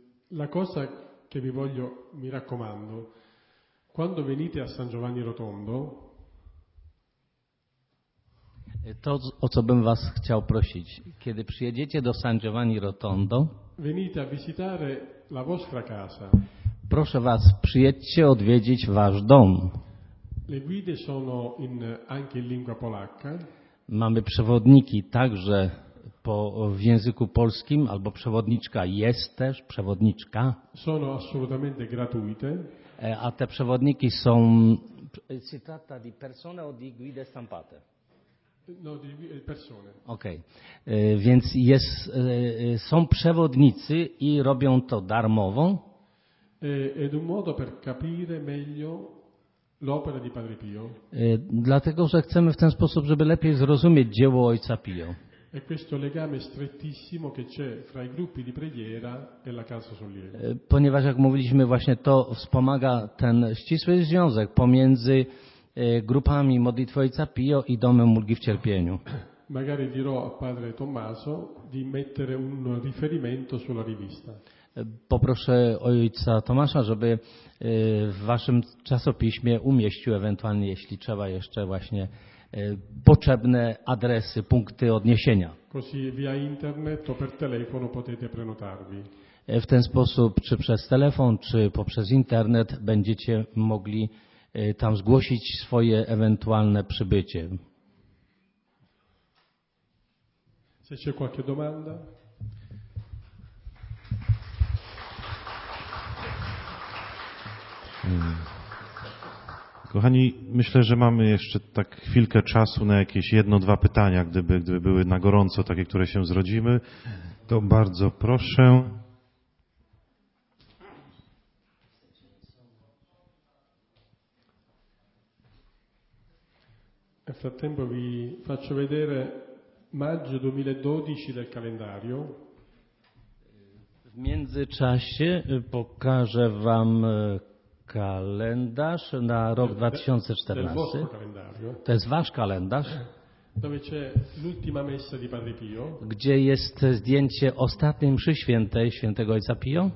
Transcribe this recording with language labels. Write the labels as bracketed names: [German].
[Italian] La cosa che vi voglio, mi raccomando, quando venite a San Giovanni Rotondo, [Polish] to o co bym was chciał prosić, kiedy przyjedziecie do San Giovanni Rotondo, [Italian] venite a visitare la vostra casa. [Polish] Proszę was, przyjedźcie odwiedzić wasz dom. [Italian] Le guide sono anche in lingua polacca. [Polish] Mamy przewodniki także w języku polskim, albo przewodniczka jest też, przewodniczka. [Italian] Sono assolutamente gratuite. [Polish] A te przewodniki są... [Italian] Si tratta di persone o di guide stampate? No, di persone. Okej. [Polish] Więc są przewodnicy i robią to darmowo. [Italian] Ed un modo per capire meglio l'opera di Padre Pio. [Polish] Dlatego, że chcemy w ten sposób, żeby lepiej zrozumieć dzieło Ojca Pio. [Italian] E questo legame strettissimo che c'è fra i gruppi di preghiera e la casa sollievo. [Polish] Ponieważ jak mówiliśmy właśnie to wspomaga ten ścisły związek pomiędzy grupami modlitwy Ojca Pio i domem ulgi w cierpieniu. [Italian] Magari dirò a padre Tommaso di mettere un riferimento sulla rivista. [Polish] Poproszę ojca Tomasza, żeby w waszym czasopiśmie umieścił ewentualnie, jeśli trzeba jeszcze właśnie potrzebne adresy, punkty odniesienia. [Italian] Così via internet o per telefono potete prenotarvi. [Polish] W ten sposób, czy przez telefon, czy poprzez internet, będziecie mogli tam zgłosić swoje ewentualne przybycie. [Italian] Se c'è qualche domanda? [Polish] Kochani, myślę, że mamy jeszcze tak chwilkę czasu na jakieś jedno, dwa pytania, gdyby były na gorąco takie, które się zrodzimy, to bardzo proszę. [Italian] Nel frattempo vi faccio vedere maggio 2012 del calendario. [Polish] W międzyczasie pokażę wam kalendarz na rok 2014. To jest wasz kalendarz. [Italian] Dove c'è l'ultima messa di Padre Pio. [Polish] Gdzie jest zdjęcie ostatniej mszy świętej świętego Ojca Pio.